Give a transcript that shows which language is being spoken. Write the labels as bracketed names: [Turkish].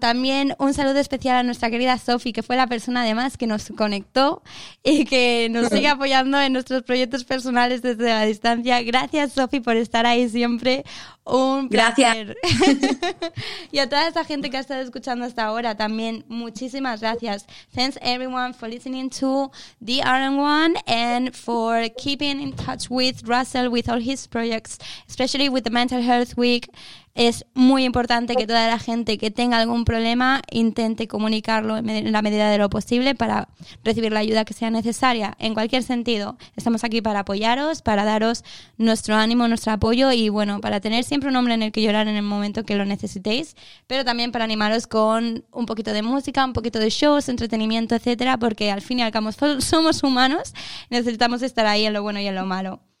[Spanish] También un saludo especial a nuestra querida Sofi, que fue la persona además que nos conectó y que nos sigue apoyando en nuestros proyectos personales desde la distancia. Gracias, Sofi, por estar ahí siempre. Un placer. Gracias. Y a toda esa gente que ha estado escuchando hasta ahora también, muchísimas gracias. [English] Thanks everyone for listening to the RN1 and for keeping in touch with Russell with all his projects, especially with the Mental Health Week. [Spanish] Es muy importante que toda la gente que tenga algún problema intente comunicarlo en la medida de lo posible para recibir la ayuda que sea necesaria. En cualquier sentido, estamos aquí para apoyaros, para daros nuestro ánimo, nuestro apoyo y, bueno, para tener siempre un hombre en el que llorar en el momento que lo necesitéis, pero también para animaros con un poquito de música, un poquito de shows, entretenimiento, etcétera, porque al fin y al cabo somos humanos, necesitamos estar ahí en lo bueno y en lo malo.